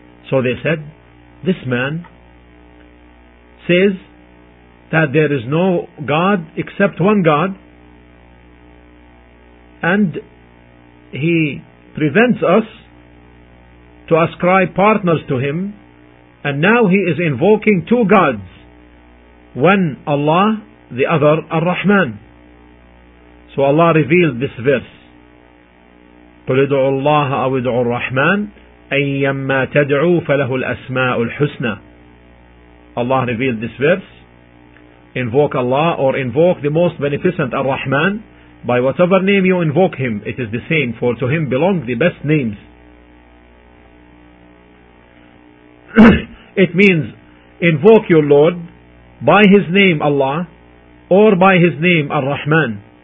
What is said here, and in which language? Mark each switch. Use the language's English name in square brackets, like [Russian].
[English] So they said, this man says that there is no God except one God, and he prevents us to ascribe partners to him, and now he is invoking two gods, one Allah, the other Ar-Rahman. [Arabic] So Allah revealed this verse, قُلْ اِدْعُوا اللَّهَ أَوْ اِدْعُوا الرَّحْمَانَ أَيَّمَّا تَدْعُوا فَلَهُ الْأَسْمَاءُ الْحُسْنَى. [English] Allah revealed this verse, invoke Allah, or invoke the most beneficent Ar-Rahman, by whatever name you invoke him, it is the same, for to him belong the best names. It means, invoke your Lord by his name Allah, or by his name Ar-Rahman.